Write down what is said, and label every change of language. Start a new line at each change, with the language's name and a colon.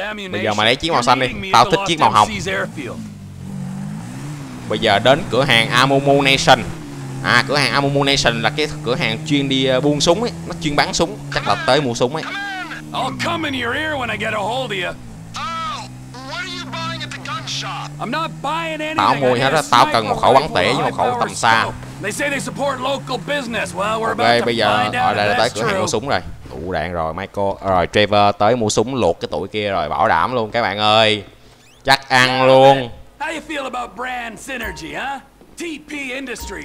Vietnamese: Bây giờ mày lấy chiếc màu xanh đi, tao thích chiếc màu hồng. Bây giờ đến cửa hàng Amumu Nation. À, cửa hàng Amumu Nation là cái cửa hàng chuyên đi buôn súng ấy, nó chuyên bán súng, chắc là tới mua súng ấy.
English: I'll come in your ear when I get a hold of you. Oh, what are you buying at the gun shop? I'm not buying anything.
Vietnamese: Tao mua hết á, tao cần một khẩu bắn tỉa với một khẩu tầm xa.
English: They say they support local business. Well, we're about to find out.
Vietnamese: Ok, bây giờ ở đây tới cửa hàng mua súng rồi. Ủ đạn rồi, Michael, rồi Trevor tới mua súng luộc cái tụi kia rồi, bảo đảm luôn các bạn ơi. Chắc ăn luôn.
English: How you feel about brand synergy, huh? TP Industries.